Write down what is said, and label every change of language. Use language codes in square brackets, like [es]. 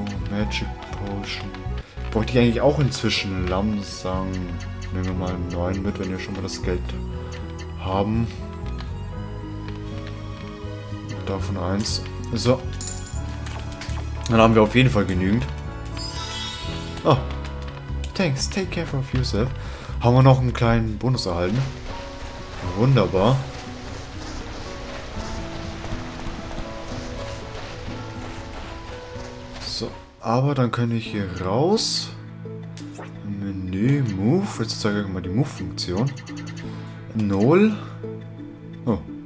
[en] Magic Potion. [de] Bräuchte ich eigentlich auch inzwischen. Lamsang. Nehmen wir mal einen neuen mit, wenn wir schon mal das Geld haben. Davon eins. So. Dann haben wir auf jeden Fall genügend. [en] Oh, thanks, take care of yourself. [de] Haben wir noch einen kleinen Bonus erhalten? Wunderbar. So, aber dann kann ich hier raus. Menü, Move. Jetzt zeige ich euch mal die Move-Funktion. Null. Oh.